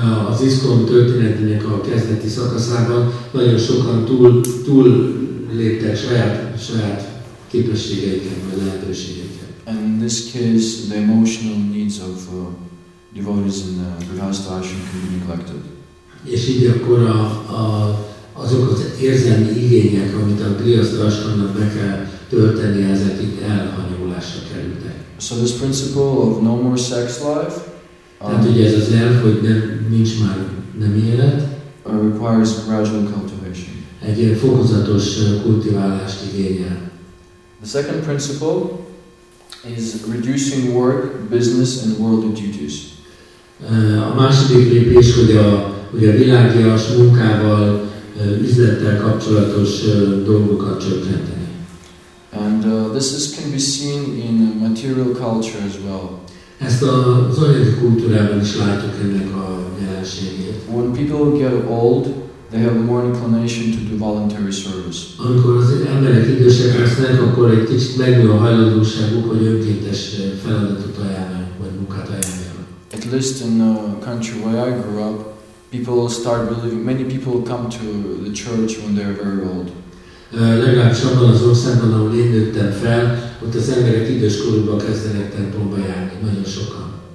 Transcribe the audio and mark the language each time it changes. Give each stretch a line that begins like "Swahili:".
Hungarian: Az ISKCON történetének a kezdeti szakaszában nagyon sokan túl léptek saját képességeiken vagy lehetőségeiken.
English: And in this case, the emotional needs of devotees in the grihastha ashram can be neglected.
Hungarian: És így akkor azok az érzelmi igények, amit a grihasztha ashramnak be kell tölteni, ezek itt elhanyagolásra kerültek.
English: So this principle of no more sex life.
Hungarian: Tehát ugye ez az elv, hogy nincs már élet.
English: Requires gradual cultivation.
Hungarian: Egy ilyen fokozatos kultiválást igényel.
English: The second principle is reducing work, business and worldly duties.
Hungarian: A második lépés, hogy a világias munkával üzlettel kapcsolatos dolgokat csökkenteni.
English: And this is can be seen in material culture as well.
Hungarian: Ezt az anyagi kultúrában is látjuk ennek a jelenségét.
English: When people get old, they have more inclination to do voluntary service.
Hungarian: Amikor az emberek idősek lesznek, akkor egy kicsit megnő a hajlandóságuk, hogy önkéntes feladatot ajánljanak, vagy munkát ajánljanak.
English: At least in a country where I grew up, people start believing, many people come to the church when they are very old.
Hungarian: Legalábbis abban az országban, ahol én nőttem fel, ott az emberek idős korukban kezdenek templomba járni, nagyon sokan.